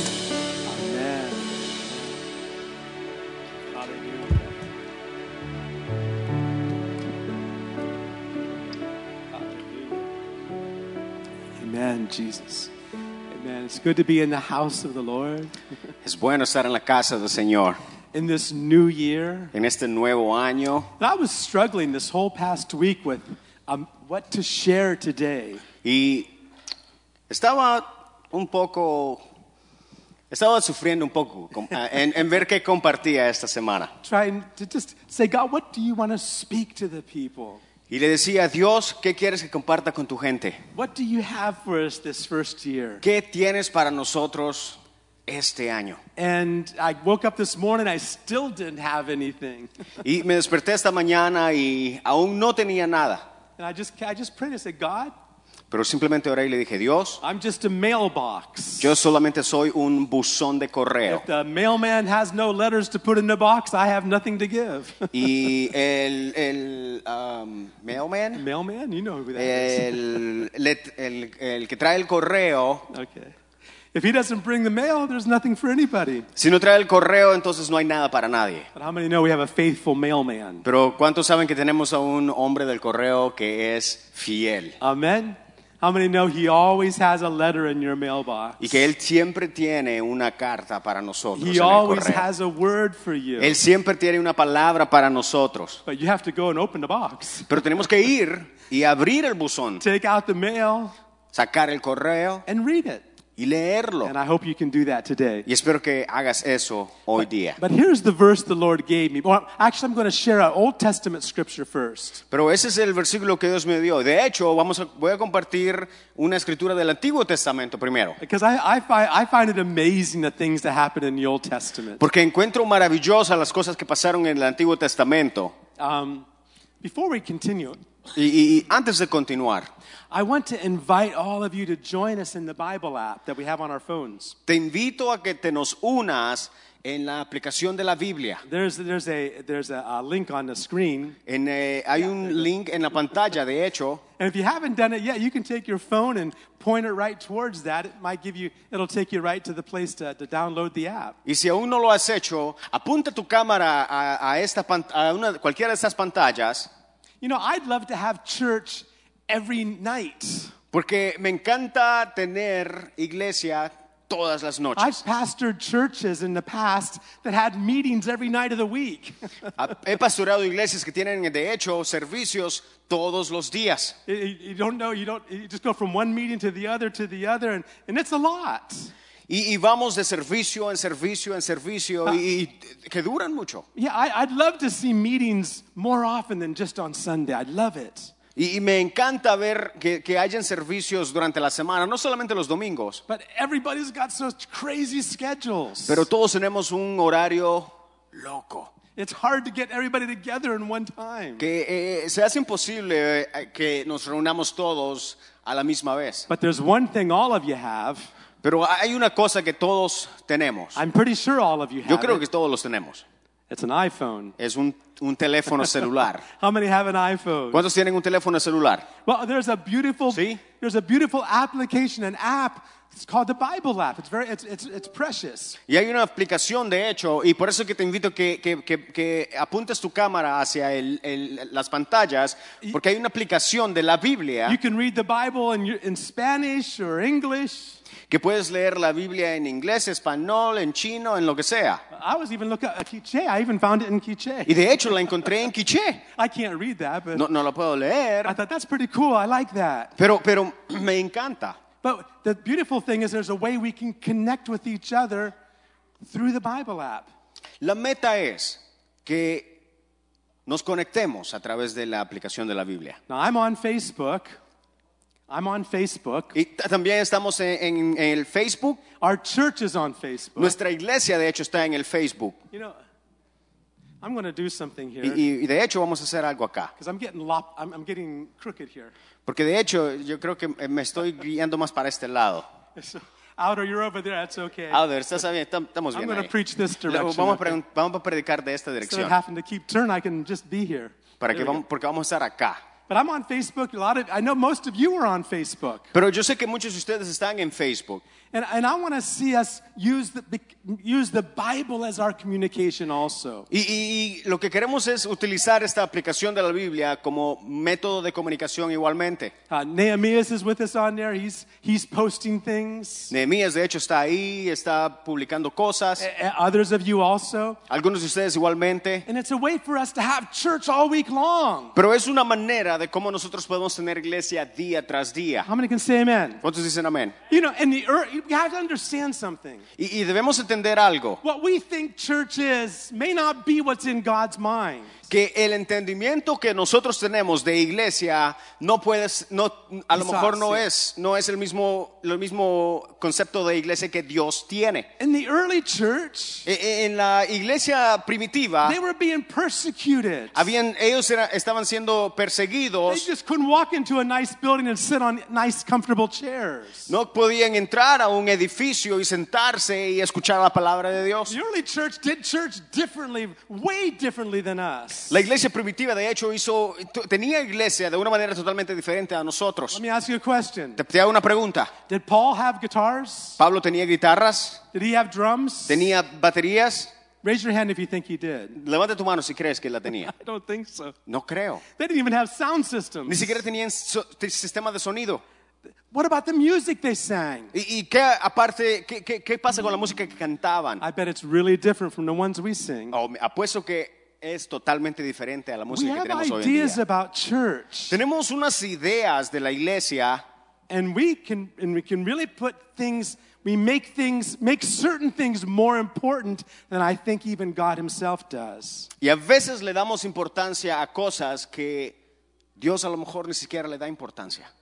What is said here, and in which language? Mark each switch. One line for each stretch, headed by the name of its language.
English: Amen. Amen, Jesus. Amen. It's good to be in the house of the Lord.
Spanish: Es bueno estar en la casa del Señor.
English: In this new year.
Spanish: En este nuevo año.
English: I was struggling this whole past week with what to share today.
Spanish: Y estaba un poco, estaba sufriendo un poco en ver qué compartía esta semana.
English: Trying to just say, God, what do you want to speak to the people?
Spanish: Y le decía, Dios, ¿qué quieres que comparta con tu gente?
English: What do you have for us this first year?
Spanish: ¿Qué tienes para nosotros este año?
English: And I woke up this morning, I still didn't have anything.
Spanish: Y me desperté esta mañana y aún no tenía nada.
English: And I just prayed and said, God,
Spanish: pero simplemente oré y le dije, Dios,
English: I'm just a mailbox.
Spanish: Yo solamente soy un buzón de correo.
English: If the mailman has no letters to put in the box, I have nothing to give.
Spanish: Y el mailman?
English: Mailman, you know who that
Spanish: el que trae el correo.
English: Okay. If he doesn't bring the mail, there's nothing for anybody.
Spanish: Si no trae el correo, entonces no hay nada para nadie.
English: But how many know we have a faithful mailman?
Spanish: Pero ¿cuántos saben que tenemos a un hombre del correo que es fiel?
English: Amen. How many know he always has a letter in your mailbox?
Spanish: Y que él siempre tiene una carta para nosotros.
English: He always has a word for you.
Spanish: Él siempre tiene una palabra para nosotros.
English: But you have to go and open the box.
Spanish: Pero tenemos que ir y abrir el buzón.
English: Take out the mail.
Spanish: Sacar el correo.
English: And read it.
Spanish: Y leerlo.
English: And I hope you can do that today.
Spanish: Y espero que hagas eso hoy día.
English: But here's the verse the Lord gave me. Well, actually, I'm going to share an Old Testament scripture first.
Spanish: Pero ese es el versículo que Dios me dio. De hecho, voy a compartir una escritura del Antiguo Testamento primero.
English: Because I find it amazing the things that happen in the Old Testament.
Spanish: Porque encuentro maravillosas las cosas que pasaron en el Antiguo Testamento.
English: Before we continue.
Spanish: Y antes de continuar,
English: I want to invite all of you to join us in the Bible app that we have on our phones.
Spanish: Te invito a que te nos unas en la aplicación de la Biblia.
English: There's a link on the screen.
Spanish: Link en la pantalla, de hecho.
English: And if you haven't done it yet, you can take your phone and point it right towards that. It'll take you right to the place to download the app.
Spanish: Y si aún no lo has hecho, apunta tu cámara cualquiera de estas pantallas.
English: You know, I'd love to have church every night.
Spanish: Porque me encanta tener iglesia todas las noches.
English: I've pastored churches in the past that had meetings every night of the week.
Spanish: He pastoreado iglesias que tienen, de hecho, servicios todos los días.
English: You just go from one meeting to the other, and it's a lot.
Spanish: Y vamos de servicio en servicio en servicio y que duran mucho.
English: Yeah, I'd love to see meetings more often than just on Sunday. I'd love it.
Spanish: Y me encanta ver que hayan servicios durante la semana, no solamente los domingos.
English: But everybody's got such crazy schedules.
Spanish: Pero todos tenemos un horario loco.
English: It's hard to get everybody together in one time.
Spanish: Que se hace imposible que nos reunamos todos a la misma vez.
English: But there's one thing all of you have.
Spanish: Pero hay una cosa que todos tenemos.
English: I'm pretty sure all of you have it.
Spanish: Yo creo
English: it.
Spanish: Que todos los tenemos.
English: It's an iPhone.
Spanish: Es un teléfono celular.
English: How many have an iPhone?
Spanish: ¿Cuántos tienen un teléfono celular?
English: Well, there's a beautiful,
Spanish: ¿sí?
English: There's a beautiful application, an app. It's called the Bible app. It's precious.
Spanish: Y hay una aplicación, de hecho, y por eso que te invito que apuntes tu cámara hacia las pantallas, porque hay una aplicación de la Biblia.
English: You can read the Bible in Spanish or English.
Spanish: Que puedes leer la Biblia en inglés, español, en chino, en lo que sea.
English: I was even looking at Quiché. I even found it in Quiché.
Spanish: Y de hecho la encontré en Quiché.
English: I can't read that, but
Spanish: no lo puedo leer.
English: I thought that's pretty cool. I like that.
Spanish: Pero me encanta.
English: But the beautiful thing is there's a way we can connect with each other through the Bible app.
Spanish: La meta es que nos conectemos a través de la aplicación de la Biblia.
English: Now I'm on Facebook. I'm on Facebook.
Spanish: Y también estamos en el Facebook.
English: Our church is on Facebook.
Spanish: Nuestra iglesia, de hecho, está en el Facebook.
English: You know, I'm going to do something here.
Spanish: Y de hecho, vamos a hacer algo acá.
English: Because I'm getting crooked here.
Spanish: Porque de hecho, yo creo que me estoy guiando más para este lado.
English: Outer, you're over there. That's okay.
Spanish: Outer, estás bien. Estamos bien.
English: I'm going to preach this direction.
Spanish: Vamos a predicar de esta dirección.
English: Instead of having to keep turn, I can just be here.
Spanish: Porque vamos a estar acá.
English: But I'm on Facebook. I know most of you are on Facebook.
Spanish: Pero yo sé que muchos de ustedes están en Facebook.
English: And I want to see us use the Bible as our communication also.
Spanish: Y lo que queremos es utilizar esta aplicación de la Biblia como método de comunicación igualmente.
English: Nehemías is with us on there. He's posting things.
Spanish: Nehemías de hecho está ahí, está publicando cosas.
English: Others of you also.
Spanish: Algunos de ustedes igualmente.
English: And it's a way for us to have church all week long.
Spanish: Pero es una manera de cómo nosotros podemos tener iglesia día tras día.
English: How many can say amen?
Spanish: ¿Cuántos dicen amén?
English: You know, in the earth. We have to understand something.
Spanish: Y debemos entender algo.
English: What we think church is may not be what's in God's mind.
Spanish: Que el entendimiento que nosotros tenemos de iglesia no puede, no, a lo mejor no es, no es el mismo, lo mismo concepto de iglesia que Dios tiene.
English: In the early church,
Spanish: en la iglesia primitiva,
English: they were being persecuted.
Spanish: Estaban siendo perseguidos.
English: They just couldn't walk into a nice building and sit on nice, comfortable chairs.
Spanish: No podían entrar a un edificio y sentarse y escuchar la palabra de Dios.
English: The early church did church differently, way differently than us.
Spanish: La iglesia primitiva, de hecho, tenía iglesia de una manera totalmente diferente a nosotros.
English: Let me ask you a question.
Spanish: Te hago una pregunta.
English: Did Paul have guitars?
Spanish: ¿Pablo tenía guitarras?
English: Did he have drums?
Spanish: ¿Tenía baterías?
English: Raise your hand if you think he did.
Spanish: Levanta tu mano si crees que la tenía.
English: I don't think so.
Spanish: No creo.
English: They didn't even have sound systems.
Spanish: Ni siquiera tenían sistema de sonido.
English: What about the music they sang?
Spanish: ¿Y qué aparte qué pasa con la música que cantaban?
English: I bet it's really different from the ones we sing.
Spanish: Oh, apuesto que es totalmente diferente a la música hoy en día.
English: About church,
Spanish: tenemos unas ideas de la iglesia
English: and we can really put things, we make things, make certain things more important than I think even God himself does.
Spanish: Y a veces le damos importancia a cosas que Dios a lo mejor ni siquiera le da importancia.